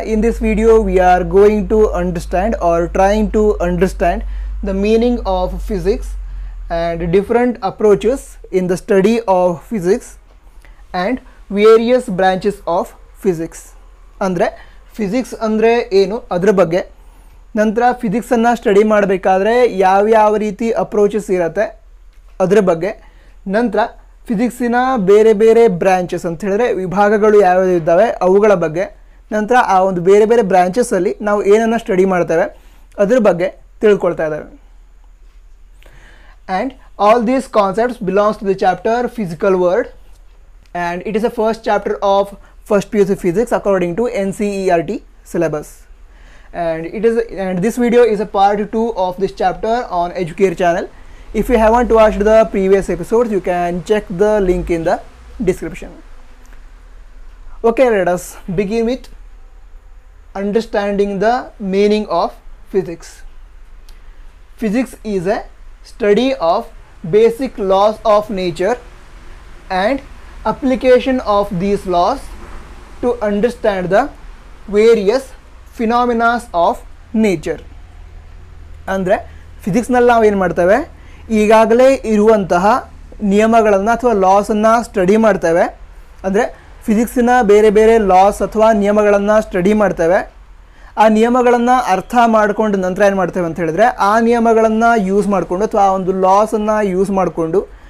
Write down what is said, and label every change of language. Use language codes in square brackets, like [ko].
[en] In this video, we are going to understand or trying to understand the meaning of physics and different approaches in the study of physics and various branches of physics. [kn] Andre physics andre enu adra bagge nantara physics anna study madbekadre yav yav riti approaches irutte adra bagge nantara physics ಇನ ಬೇರೆ ಬೇರೆ branches ಅಂತ ಹೇಳಿದ್ರೆ ವಿಭಾಗಗಳು ಯಾವ್ಯಾವ ಇದ್ದಾವೆ ಅವುಗಳ ಬಗ್ಗೆ ನಂತರ ಆ ಒಂದು ಬೇರೆ ಬೇರೆ ಬ್ರಾಂಚಸ್ ಅಲ್ಲಿ ನಾವು ಏನನ್ನ ಸ್ಟಡಿ ಮಾಡ್ತೇವೆ ಅದರ ಬಗ್ಗೆ ತಿಳ್ಕೊಳ್ತಾ ಇದ್ದೇವೆ [en] And all these concepts belongs to the chapter physical world and it is a first chapter of first P U C physics according to N C E R T syllabus and it is and this video is a part two of this chapter on Educare channel If you haven't watched the previous episodes, you can check the link in the description. Okay, let us begin with understanding the meaning of physics. Physics is a study of basic laws of nature and application of these laws to understand the various phenomena of nature. [kn] Andre physics nalla nav en martave ಈಗಾಗಲೇ ಇರುವಂತಹ ನಿಯಮಗಳನ್ನು ಅಥವಾ ಲಾಸನ್ನು study ಮಾಡ್ತೇವೆ ಅಂದರೆ ಫಿಸಿಕ್ಸಿನ ಬೇರೆ ಬೇರೆ loss ಅಥವಾ ನಿಯಮಗಳನ್ನು ಸ್ಟಡಿ ಮಾಡ್ತೇವೆ ಆ ನಿಯಮಗಳನ್ನು ಅರ್ಥ ಮಾಡಿಕೊಂಡು ನಂತರ ಏನು ಮಾಡ್ತೇವೆ ಅಂತ ಹೇಳಿದ್ರೆ ಆ ನಿಯಮಗಳನ್ನು ಯೂಸ್ ಮಾಡಿಕೊಂಡು ಅಥವಾ ಆ ಒಂದು ಲಾಸನ್ನು ಯೂಸ್ ಮಾಡಿಕೊಂಡು